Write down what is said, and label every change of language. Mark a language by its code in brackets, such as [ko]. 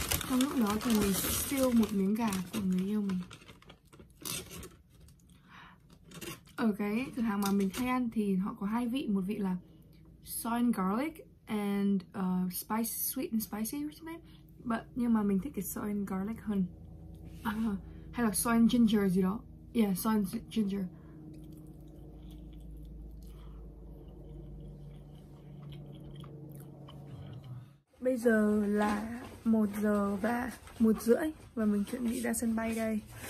[vi] Trong lúc đó thì mình sẽ siêu một miếng gà của người yêu mình. Ở cái cửa hàng mà mình hay ăn thì họ có hai vị. Một vị là [en] soy and garlic and spice, sweet and spicy or something. But [vi] nhưng mà mình thích cái [en] soy and garlic [vi] hơn. Hay là [en] soy and ginger [vi] gì đó. [en] Yeah, soy and ginger. [vi] Bây giờ là 1:30 và mình chuẩn bị ra sân bay đây.